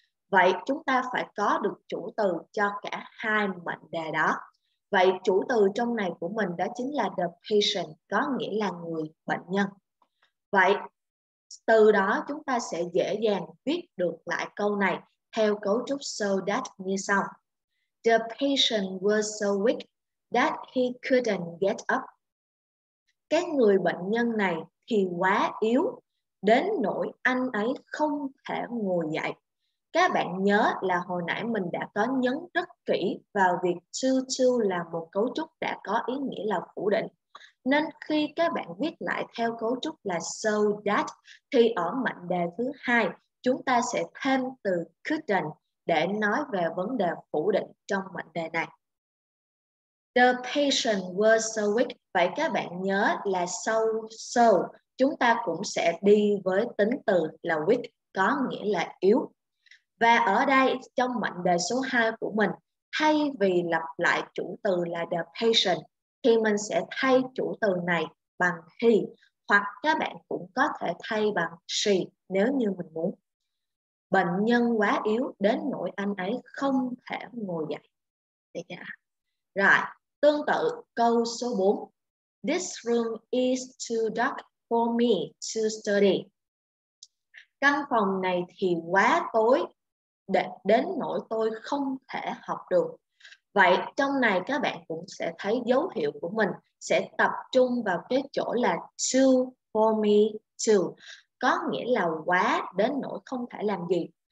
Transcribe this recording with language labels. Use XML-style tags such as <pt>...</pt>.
<vi>Vậy chúng ta phải có được chủ từ cho cả hai mệnh đề đó. Vậy chủ từ trong này của mình đó chính là the patient, có nghĩa là người bệnh nhân. Vậy từ đó chúng ta sẽ dễ dàng viết được lại câu này theo cấu trúc so that như sau.</vi> <en>The patient was so weak that he couldn't get up.</en> <vi>Cái người bệnh nhân này thì quá yếu đến nỗi anh ấy không thể ngồi dậy. Các bạn nhớ là hồi nãy mình đã có nhấn rất kỹ vào việc too là một cấu trúc đã có ý nghĩa là phủ định. Nên khi các bạn viết lại theo cấu trúc là so that, thì ở mệnh đề thứ hai chúng ta sẽ thêm từ couldn't để nói về vấn đề phủ định trong mệnh đề này.</vi> <en>The patient was so weak.</en> <vi>Vậy các bạn nhớ là so, chúng ta cũng sẽ đi với tính từ là weak, có nghĩa là yếu. Và ở đây trong mệnh đề số 2 của mình, thay vì lặp lại chủ từ là the patient, thì mình sẽ thay chủ từ này bằng he, hoặc các bạn cũng có thể thay bằng she nếu như mình muốn. Bệnh nhân quá yếu đến nỗi anh ấy không thể ngồi dậy. Rồi, tương tự câu số 4.</vi> <en>This room is too dark for me to study.</en> <vi>Căn phòng này thì quá tối đến nỗi tôi không thể học được. Vậy trong này các bạn cũng sẽ thấy dấu hiệu của mình sẽ tập trung vào cái chỗ là too for me to, có nghĩa là quá đến nỗi không thể làm gì.</vi>